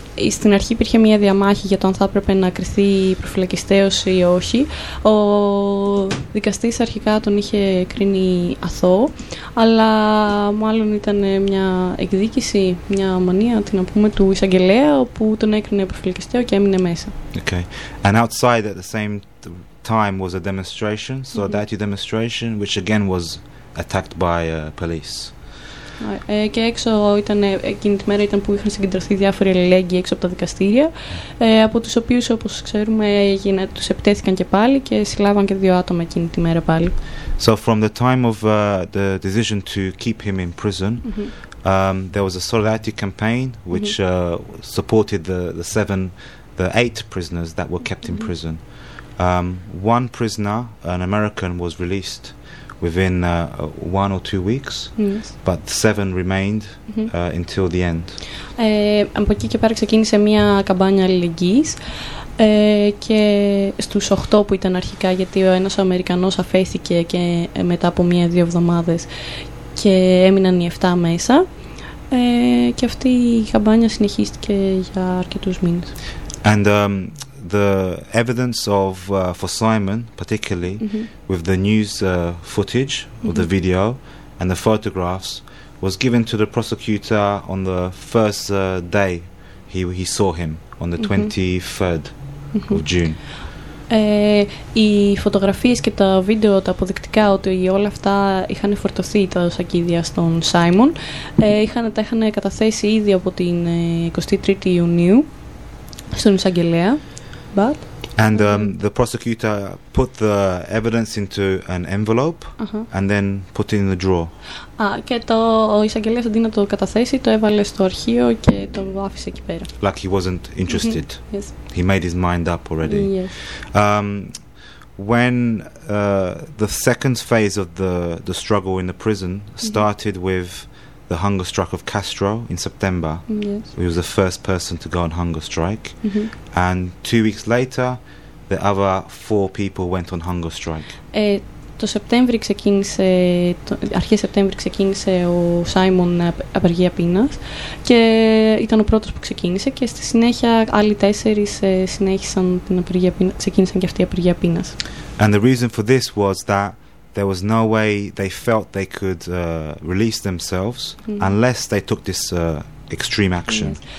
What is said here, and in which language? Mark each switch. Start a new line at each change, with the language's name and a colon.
Greek: Στην αρχή υπήρχε μια διαμάχη για το αν θα έπρεπε να κριθεί προφυλακιστέως ή όχι. Ο δικαστής αρχικά τον είχε κρίνει αθώο, αλλά μάλλον ήταν μια εκδίκηση, μια μανία, την να πούμε, του εισαγγελέα, όπου τον έκρινε προφυλακιστέο και έμεινε μέσα.
English: Okay. And outside at the same time was a demonstration, so that demonstration, which again was attacked by police.
Greek: Και έξω ήταν, εκείνη τη μέρα ήταν που είχαν συγκεντρωθεί διάφοροι αλληλέγγυοι έξω από τα δικαστήρια, από τους οποίους, όπως ξέρουμε, τους επιτέθηκαν και πάλι και συλλάβαν και δύο άτομα εκείνη τη μέρα πάλι.
English: So from the time of the decision to keep him in prison, there was a solidarity campaign which supported the eight prisoners that were kept in prison. One prisoner, an American, was released within one or two weeks, but seven remained until the end.
Greek: Από εκεί και πέρα ξεκίνησε μια καμπάνια αλληλεγγύης και στους οχτώ που ήταν αρχικά, γιατί ο ένας Αμερικανός αφέθηκε και μετά από μία-δύο εβδομάδες και έμειναν οι 7 μέσα και αυτή η καμπάνια συνεχίστηκε για αρκετούς μήνες.
English: And the evidence of for Simon particularly with the news footage of the video and the photographs was given to the prosecutor on the first day he saw him on the 23rd of June.
Greek: Οι φωτογραφίες και τα βίντεο, τα αποδεικτικά ότι όλα αυτά είχαν φορτωθεί τα σακίδια στον Simon, τα είχαν καταθέσει ήδη από την 23η Ιουνίου στον εισαγγελέα.
English: And the prosecutor put the evidence into an envelope and then put it in the drawer.
Greek: Και το εισαγγελέας αντί να το καταθέσει, το έβαλε στο αρχείο και το άφησε εκεί πέρα.
English: Like he wasn't interested. Yes. He made his mind up already. Yes. When the second phase of the struggle in the prison started with the hunger strike of Castro in September. Yes. He was the first person to go on hunger strike. And 2 weeks later, the other four people went on hunger strike.
Greek: Το Σεπτέμβριο ξεκίνησε, αρχές Σεπτέμβρη ξεκίνησε ο Σάιμον απεργία πείνας και ήταν ο πρώτος που ξεκίνησε και στη συνέχεια άλλοι τέσσερις συνέχισαν την απεργία πείνας, ξεκίνησαν και αυτοί η απεργία πείνας.
English: And the reason for this was that there was no way they felt they could release themselves unless they took this extreme action.